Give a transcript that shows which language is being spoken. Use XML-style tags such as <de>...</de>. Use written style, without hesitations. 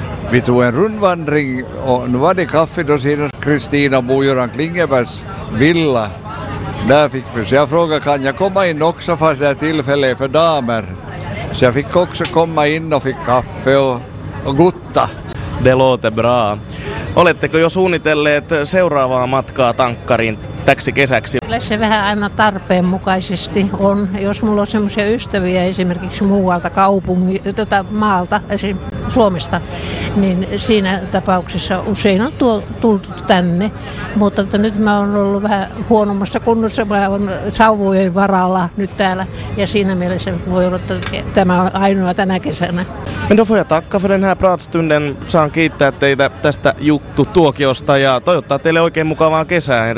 <sv>Vi tog en rundvandring och nu var det kaffe då sedan Kristina Bojuran Klingebergs villa. Där fick vi, så jag frågade, kan jag komma in också fast det är tillfälle för damer? Så jag fick också komma in och fick kaffe och gutta. Det låter bra.</sv> <fi>Oletteko jo suunnitelleet seuraavaa matkaa Tankkariin täksi kesäksi? Kyllä se vähän aina tarpeenmukaisesti on. Jos mulla on semmoisia ystäviä esimerkiksi muualta maalta, Suomesta, niin siinä tapauksessa usein on tultu tänne. Mutta nyt mä oon ollut vähän huonommassa kunnossa, mä oon sauvojen varalla nyt täällä. Ja siinä mielessä voi olla, että tämä on ainoa tänä kesänä.</fi> <sv>Men då får jag tacka för den här pratstunden.</sv> <fi>Saan kiittää teitä tästä juttutuokiosta ja toivottaa teille oikein mukavaa kesää.</fi>